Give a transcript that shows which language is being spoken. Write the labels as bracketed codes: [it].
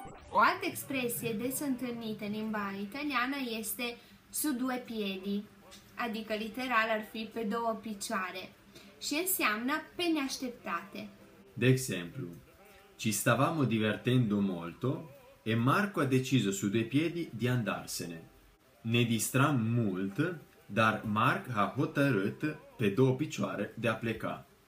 [ro] O altă expresie des întâlnită în limba italiană este [it] su due piedi, [ro] adică literal ar fi pe două picioare. Și înseamnă pe neașteptate. De exemplu, [it] ci stavamo divertendo molto e Marco ha deciso su due piedi di andarsene. [ro] Ne distram mult, dar Marc ha hotărât pe două picioare de a pleca.